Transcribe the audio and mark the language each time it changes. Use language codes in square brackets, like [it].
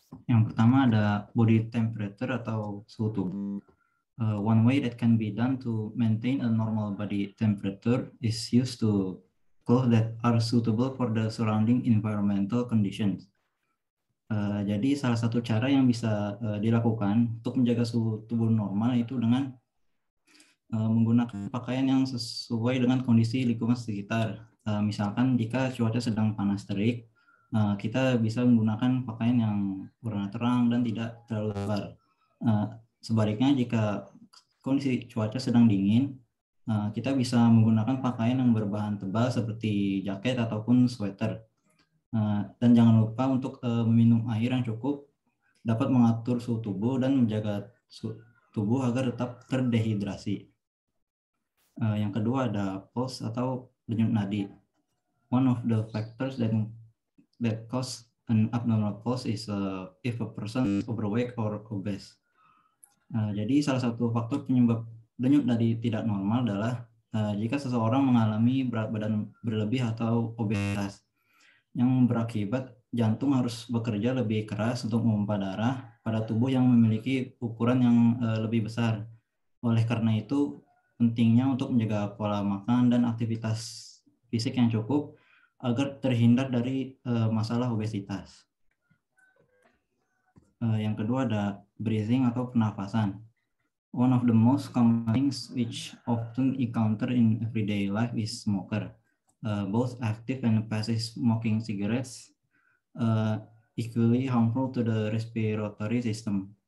[id] Yang pertama ada body temperature atau suhu tubuh. [en] One way that can be done to maintain a normal body temperature is used to clothes that are suitable for the surrounding environmental conditions. [id] Jadi salah satu cara yang bisa dilakukan untuk menjaga suhu tubuh normal itu dengan menggunakan pakaian yang sesuai dengan kondisi lingkungan sekitar. Misalkan jika cuaca sedang panas terik, kita bisa menggunakan pakaian yang warna terang dan tidak terlalu lebar. Sebaliknya jika kondisi cuaca sedang dingin, kita bisa menggunakan pakaian yang berbahan tebal seperti jaket ataupun sweater. Dan jangan lupa untuk meminum air yang cukup, dapat mengatur suhu tubuh dan menjaga suhu tubuh agar tetap terdehidrasi. Yang kedua ada pulse atau denyut nadi. [en] One of the factors that cause an abnormal pulse is if a person is overweight or obese. [id] Jadi salah satu faktor penyebab denyut nadi tidak normal adalah jika seseorang mengalami berat badan berlebih atau obesitas yang berakibat jantung harus bekerja lebih keras untuk memompa darah pada tubuh yang memiliki ukuran yang lebih besar. Oleh karena itu, pentingnya untuk menjaga pola makan dan aktivitas fisik yang cukup agar terhindar dari masalah obesitas. Yang kedua ada breathing atau pernafasan. [en] One of the most common things which often encounter in everyday life is smoker. Both active and passive smoking cigarettes equally harmful to the respiratory system.